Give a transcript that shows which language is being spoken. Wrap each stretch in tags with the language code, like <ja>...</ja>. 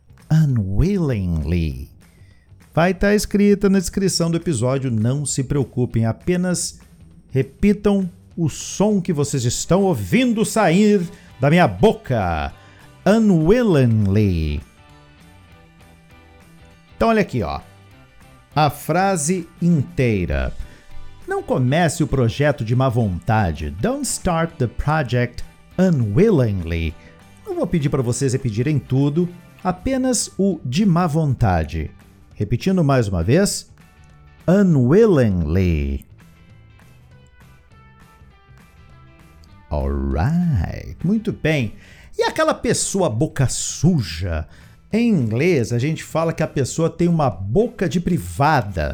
<en>Unwillingly.</en> <pt>Vai estar escrita na descrição do episódio, não se preocupem, apenas repitam o som que vocês estão ouvindo sair da minha boca.</pt> <en>Unwillingly.</en> <pt>Então olha aqui, ó. A frase inteira. Não comece o projeto de má vontade.</pt> <en>Don't start the project unwillingly.</en> <pt>Não vou pedir para vocês repetirem tudo. Apenas o de má vontade. Repetindo mais uma vez.</pt> <en>Unwillingly. Alright.</en> <pt>Muito bem. E aquela pessoa boca suja? Em inglês, a gente fala que a pessoa tem uma boca de privada.</pt>